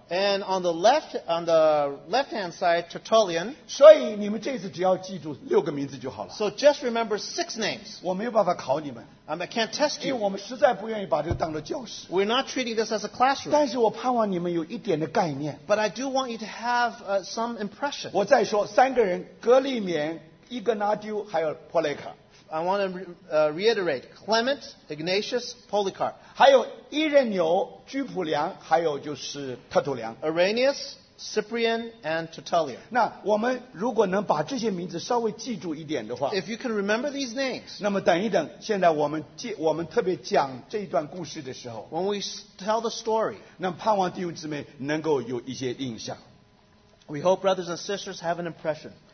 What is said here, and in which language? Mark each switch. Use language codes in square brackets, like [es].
[en] and on the left hand side, Tertullian. [zh] 所以你们这次只要记住六个名字就好了, [en] so just remember six names. [zh] 我没有办法考你们, [en] I can't test you. [zh] 因为我们实在不愿意把这个当作教室, [en] we're not treating this as a classroom. [zh] 但是我盼望你们有一点的概念, [en] but I do want you to have some impression. [zh] 我再说三个人, 格利免, 伊格纳丢, 还有波雷卡, [en] I want to reiterate Clement, Ignatius, Polycarp. [zh] 还有伊任纽, 居普良, 还有就是特土良, [en] Irenaeus, Cyprian, and Tertullian. [zh] 那我们如果能把这些名字稍微记住一点的话, [en] if you can remember these names, [zh] 那么等一等, 现在我们特别讲这一段故事的时候, [en] when we tell the story, [zh] 那盼望弟兄姊妹能够有一些印象, [en] we hope brothers and sisters have an impression.